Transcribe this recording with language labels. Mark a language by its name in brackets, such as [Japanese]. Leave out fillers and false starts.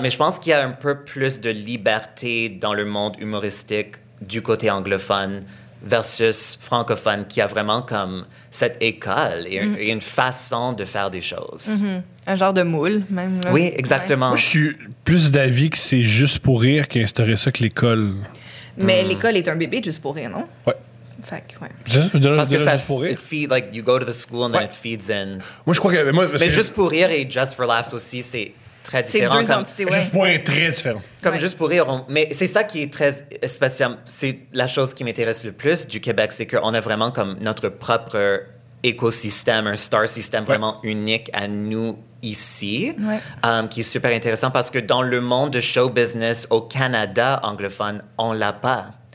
[French] Mais je pense qu'il y a un peu plus de liberté dans le monde humoristique du côté anglophone versus francophone, qui a vraiment comme cette école et, et une façon de faire des choses. Mm-hmm. Un genre de moule, même. Là. Oui, exactement. Ouais. Je suis plus d'avis que c'est juste pour rire qui a instauré ça que l'école. Mais l'école est un bébé juste pour rire, non? Oui. [English] It feed, like, you go to the school and then it feeds in. [French] Moi, je crois que... Mais juste pour rire et Just for Laughs aussi, c'est... très différent. C'est deux entités, Juste pour rire, très différent. Comme Juste pour rire. Mais c'est ça qui est très spécial. C'est la chose qui m'intéresse le plus du Québec, c'est qu'on a vraiment comme notre propre écosystème, un star system vraiment unique à nous ici, qui est super intéressant parce que dans le monde de show business au Canada anglophone, on l'a pas.